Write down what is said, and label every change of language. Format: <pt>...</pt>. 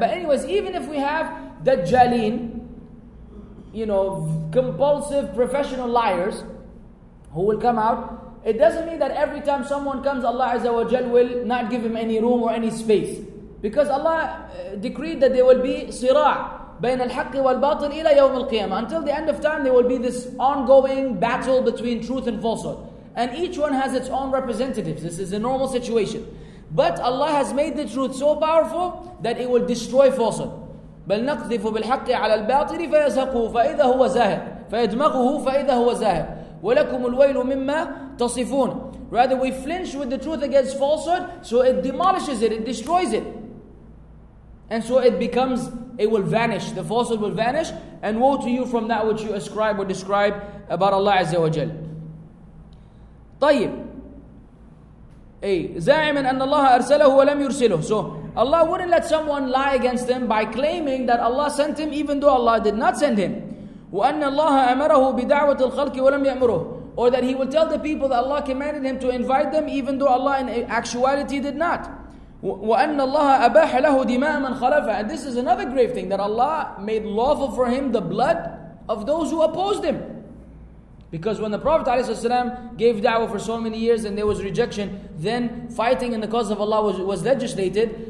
<en>But anyways, even if we have Dajjalin, you know, compulsive professional liars who will come out, it doesn't mean that every time someone comes, Allah Azza wa Jal will not give him any room or any space. Because Allah decreed that there will be sirah</en> <ar>بين الحق والباطل إلى يوم القيامة.</ar> <en>Until the end of time, there will be this ongoing battle between truth and falsehood. And each one has its own representatives. This is a normal situation. But Allah has made the truth so powerful that it will destroy falsehood.</en> <ar>بل نقذف بالحق على الباطل فيزهقه فإذا هو زاهق فيدمغه فإذا هو زاهق ولكم الويل مما تصفون.</ar> <en>Rather, we flinch with the truth against falsehood, so it demolishes it, it destroys it. And so it becomes, it will vanish, the falsehood will vanish, and woe to you from that which you ascribe or describe about Allah Azza wa Jal.</en> <ar>طيب. أي زاعما أن الله أرسله ولم يرسله.</ar> <en>So Allah wouldn't let someone lie against him by claiming that Allah sent him even though Allah did not send him.</en> <ar>وأن الله أمره بدعوة الخلق ولم يأمره.</ar> <en>Or that he will tell the people that Allah commanded him to invite them even though Allah in actuality did not.</en> <ar>وَأَنَّ اللَّهَ أَبَاحَ لَهُ دِمَاءَ مَنْ خَلَفَ.</ar> <en>And this is another grave thing, that Allah made lawful for him the blood of those who opposed him. Because when the Prophet ﷺ gave da'wah for so many years and there was rejection, then fighting in the cause of Allah was legislated.</en>